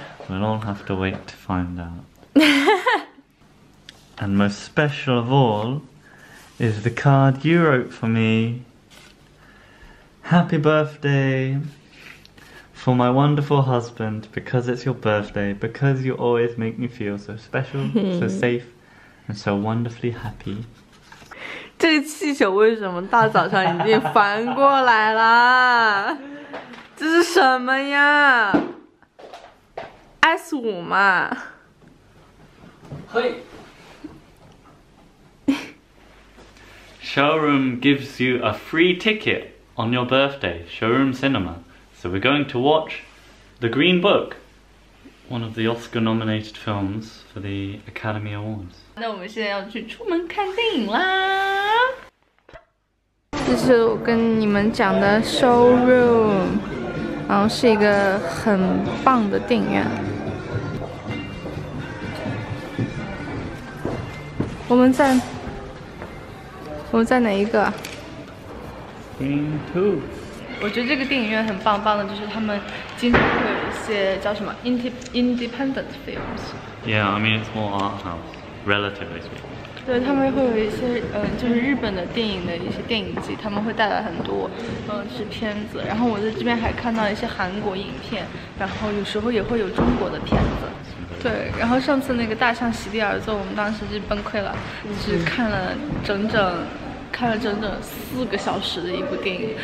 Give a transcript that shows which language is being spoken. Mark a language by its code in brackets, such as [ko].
[en] We'll all have to wait to find out. And most special of all is the card you wrote for me. Happy birthday for my wonderful husband, because it's your birthday, because you always make me feel so special, so safe, and so wonderfully happy. [zh] 这个气球为什么大早上已经翻过来了？这是什么呀 ？S5 嘛。嘿。 [en] Showroom gives you a free ticket on your birthday, Showroom Cinema. So we're going to watch The Green Book, one of the Oscar-nominated films for the Academy Awards. [zh] 那我们现在要去出门看电影啦。这是我跟你们讲的 Showroom。然后是一个很棒的电影院。我们在哪一个 [en] ？Green Two。 [zh] 我觉得这个电影院很棒棒的，就是他们经常会有一些叫什么 [en] independent films。 Yeah, I mean it's more art house, relatively speaking. [zh] 对，他们会有一些就是日本的电影的一些电影集，他们会带来很多是片子。然后我在这边还看到一些韩国影片，然后有时候也会有中国的片子。对，然后上次那个大象席地而坐，我们当时就崩溃了，就是看了整整4个小时的一部电影。